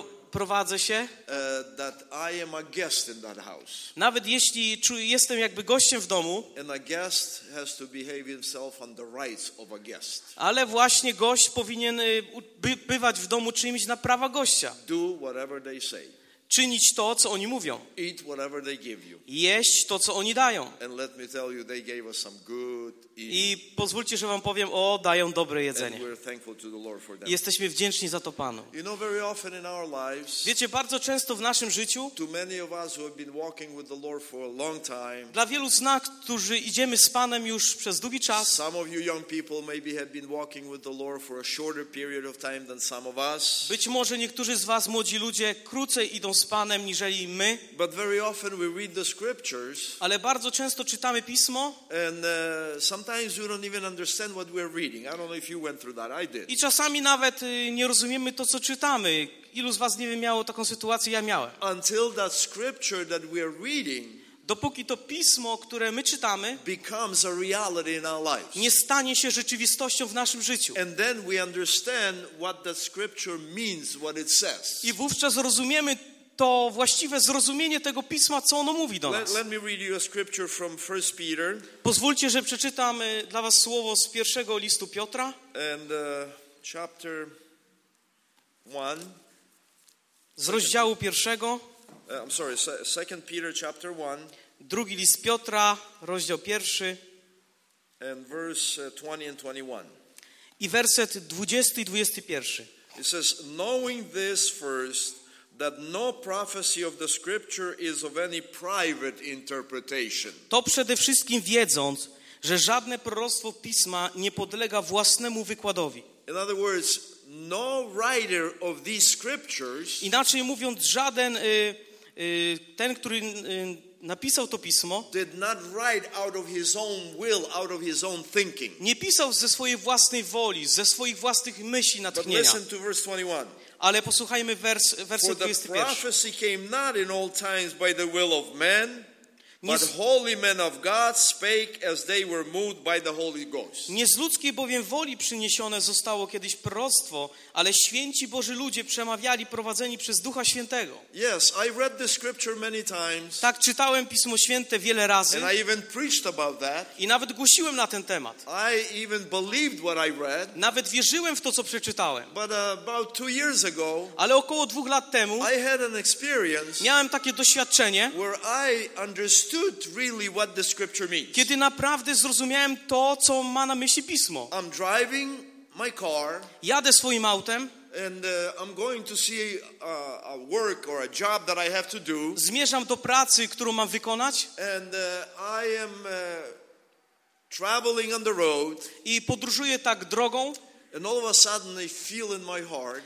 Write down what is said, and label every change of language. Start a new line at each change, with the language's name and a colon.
Polish: prowadzę się
English: that I am a guest in that house.
Polish: Nawet jeśli jestem jakby gościem w domu,
English: and a guest has to behave himself on the rights of a guest.
Polish: Ale właśnie gość powinien bywać w domu czyimś na prawa gościa.
English: Do whatever they say.
Polish: Czynić to, co oni mówią.
English: Eat whatever they give you.
Polish: Jeść to, co oni dają.
English: And let me tell you, they gave us some good eating.
Polish: I pozwólcie, że wam powiem, o, dają dobre jedzenie.
English: And we're thankful to the Lord for that.
Polish: Jesteśmy wdzięczni za to Panu.
English: You know, very often in our lives,
Polish: wiecie, bardzo często w naszym życiu,
English: to many of us who have been walking with the Lord for a long time,
Polish: dla wielu z nas, którzy idziemy z Panem już przez długi czas,
English: some of you young people maybe have been walking with the Lord for a shorter period of time than some of us.
Polish: Być może niektórzy z was, młodzi ludzie, krócej idą z Panem niżeli my.
English: But very often we read the scriptures,
Polish: ale bardzo często czytamy Pismo.
English: And sometimes we don't even understand what we're reading. I don't know if you went through that. I did.
Polish: I czasami nawet nie rozumiemy to, co czytamy. Ilu z was nie miało taką sytuację? Ja miałem.
English: Until that scripture that we're reading,
Polish: dopóki to Pismo, które my czytamy,
English: becomes a reality in our lives,
Polish: nie stanie się rzeczywistością w naszym życiu.
English: And then we understand what the scripture means, what it says.
Polish: I wówczas rozumiemy to właściwe zrozumienie tego Pisma, co ono mówi do nas.
English: Let me read you a scripture from First Peter.
Polish: Pozwólcie, że przeczytam dla was słowo z pierwszego listu Piotra.
English: And chapter one.
Polish: Z rozdziału pierwszego.
English: I'm sorry, Second Peter chapter one.
Polish: Drugi list Piotra, rozdział pierwszy.
English: And verse 20 and 21.
Polish: I werset 20 i 21.
English: It says, knowing this first, that no prophecy of the scripture is of any private interpretation.
Polish: To przede wszystkim wiedząc, że żadne proroctwo Pisma nie podlega własnemu wykładowi.
English: In other words, no writer of these scriptures,
Polish: inaczej mówiąc, żaden ten, który napisał to Pismo,
English: did not write out of his own will, out of his own thinking.
Polish: Nie pisał ze swojej własnej woli, ze swoich własnych myśli, natchnienia.
English: But listen to verse 21.
Polish: Ale posłuchajmy werset 21.
English: For the prophecy came not in old times by the will of men. But holy men of God spake as they were moved by the Holy Ghost.
Polish: Nie z ludzkiej bowiem woli przyniesione zostało kiedyś proroctwo, ale święci Boży ludzie przemawiali prowadzeni przez Ducha Świętego.
English: Yes, I read the scripture many times.
Polish: Tak, czytałem Pismo Święte wiele razy.
English: And I even preached about that.
Polish: I nawet głosiłem na ten temat.
English: I even believed what I read.
Polish: Nawet wierzyłem w to, co przeczytałem.
English: But about 2 years ago,
Polish: ale około 2 lat temu,
English: I had an experience.
Polish: Miałem takie doświadczenie,
English: where I understood. Really what the scripture means.
Polish: Kiedy naprawdę zrozumiałem to, co ma na myśli Pismo.
English: I'm driving my car.
Polish: Jadę swoim autem.
English: And I'm going to see a work or a job that I have to do.
Polish: Zmierzam do pracy, którą mam wykonać.
English: And I am traveling on the road.
Polish: I podróżuję tak drogą.
English: And all of a sudden, I feel in my heart.